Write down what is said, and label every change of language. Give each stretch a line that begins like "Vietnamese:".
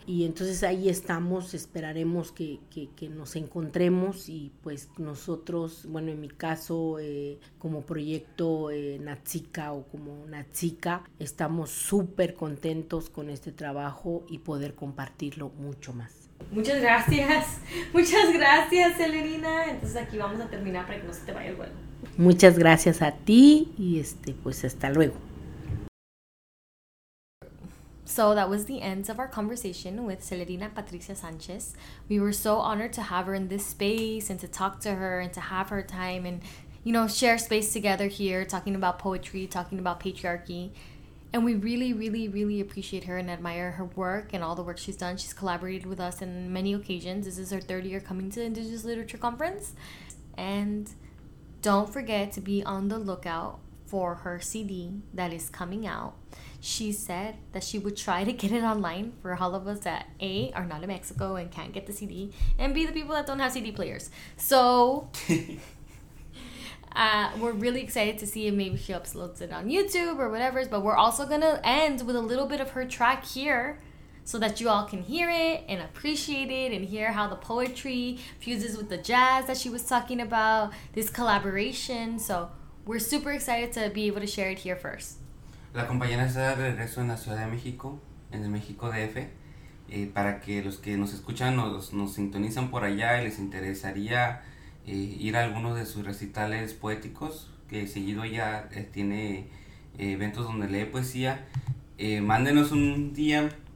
Spanish: Y entonces ahí estamos, esperaremos que nos encontremos y pues nosotros, bueno, en mi caso, como proyecto Natsika o como Natsika, estamos súper contentos con este trabajo y poder compartirlo mucho más. Muchas gracias, Celerina. Entonces aquí vamos a terminar para que no se te vaya el vuelo. Muchas gracias a ti y pues hasta luego.
English: So that was the end of our conversation with Celerina Patricia Sánchez. We were so honored to have her in this space and to talk to her and to have her time and share space together here, talking about poetry, talking about patriarchy. And we really, really, really appreciate her and admire her work and all the work she's done. She's collaborated with us in many occasions. This is her third year coming to the Indigenous Literature Conference. And don't forget to be on the lookout for her CD that is coming out. She said that she would try to get it online for all of us that A, are not in Mexico and can't get the CD, and B, the people that don't have CD players. So we're really excited to see if maybe she uploads it on YouTube or whatever. But we're also going to end with a little bit of her track here so that you all can hear it and appreciate it and hear how the poetry fuses with the jazz that she was talking about, this collaboration. So we're super excited to be able to share it here first.
Spanish: La compañera está de regreso en la Ciudad de México, en el México DF, para que los que nos escuchan nos sintonizan por allá y les interesaría ir a algunos de sus recitales poéticos, que seguido ella tiene eventos donde lee poesía, mándenos un DM.